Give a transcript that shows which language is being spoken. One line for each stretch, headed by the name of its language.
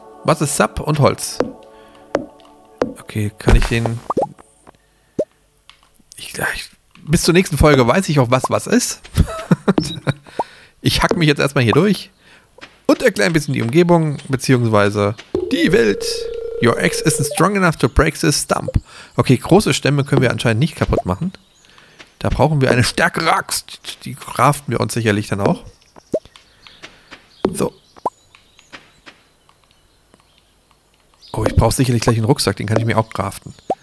German: Was ist Sap und Holz? Okay, kann ich den. Bis zur nächsten Folge weiß ich auch, was ist. Ich hack mich jetzt erstmal hier durch und erkläre ein bisschen die Umgebung, beziehungsweise die Welt.
English: Your axe isn't strong enough to break this stump.
German: Okay, große Stämme können wir anscheinend nicht kaputt machen. Da brauchen wir eine stärkere Axt. Die craften wir uns sicherlich dann auch. So. Oh, ich brauche sicherlich gleich einen Rucksack. Den kann ich mir auch craften.